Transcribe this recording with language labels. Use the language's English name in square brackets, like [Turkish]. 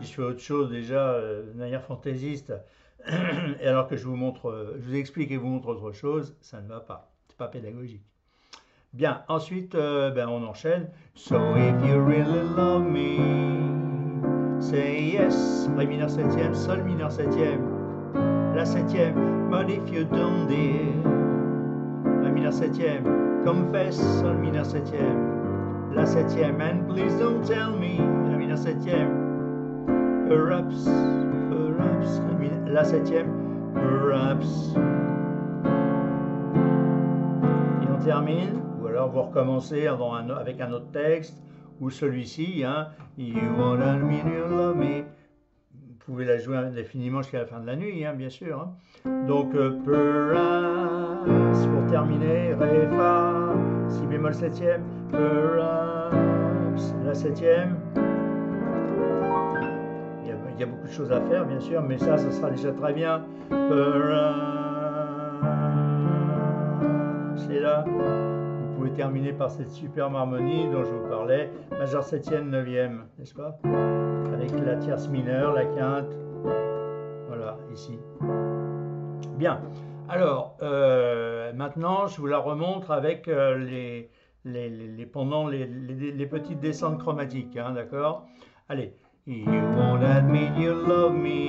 [French] Si je fais autre chose, déjà, de manière fantaisiste, et alors que je vous explique et vous montre autre chose, ça ne va pas. C'est pas pédagogique. Bien, ensuite, ben, on enchaîne. [English] So if you really love me, say yes. [French] Ré mineur septième, sol mineur septième. La septième, [English] but if you don't dear. [French] La mineur septième, confess, sol mineur septième. La septième, [English] and please don't tell me. [French] La mineur septième, [English] perhaps, perhaps. [French] La septième, [English] perhaps. [French] Et on termine, ou alors vous recommencez avec un autre texte, ou celui-ci, hein. [English] You won't admit you love me. [French] Vous pouvez la jouer indéfiniment jusqu'à la fin de la nuit, hein, bien sûr. Hein. Donc, [English] perhaps, [French] pour terminer, Ré, Fa, Si bémol septième, perhaps, la septième. Il y a beaucoup de choses à faire, bien sûr, mais ça sera déjà très bien. Perhaps, c'est là. Vous pouvez terminer par cette superbe harmonie dont je vous parlais, majeur septième, neuvième, n'est-ce pas? Avec la tierce mineure, la quinte, voilà, ici. Bien, alors, maintenant, je vous la remontre avec les petites descentes chromatiques, hein, d'accord? Allez. [English] You won't admit you love me.